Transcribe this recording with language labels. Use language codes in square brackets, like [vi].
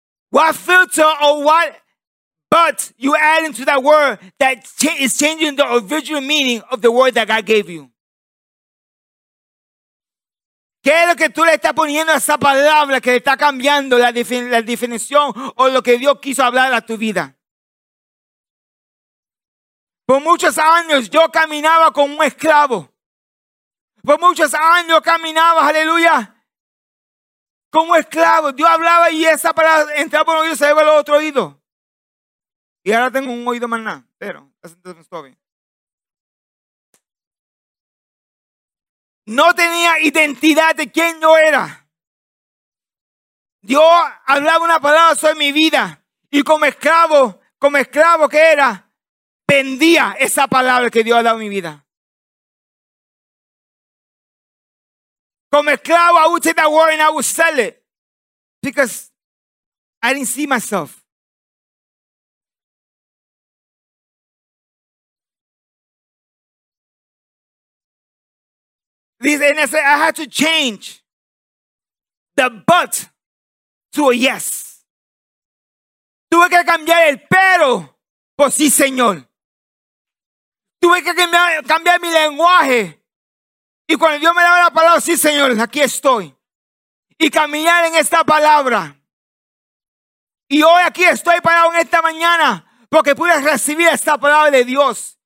[en] What filter or what but you add into that word that is changing the original meaning of the word that God gave you? [es] ¿Qué es lo que tú le estás poniendo a esa palabra que le está cambiando la definición o lo que Dios quiso hablar a tu vida? Por muchos años yo caminaba como un esclavo. Por muchos años caminaba, aleluya, como esclavo. Dios hablaba y esa palabra entraba por un oído y se iba al otro oído. Y ahora tengo un oído más nada, pero estoy bien. No tenía identidad de quién yo era. Dios hablaba una palabra sobre mi vida. Y como esclavo que era, vendía esa palabra que Dios ha dado a mi vida. Como esclavo, [en] I would take that word and I would sell it. Because I didn't see myself. [es] Dice, [en] and I said, I had to change the but to a yes. [es] Tuve que cambiar el pero por sí, Señor. Tuve que cambiar mi lenguaje. Y cuando Dios me daba la palabra, sí, Señor, aquí estoy. Y caminar en esta palabra. Y hoy aquí estoy parado en esta mañana porque pude recibir esta palabra de Dios.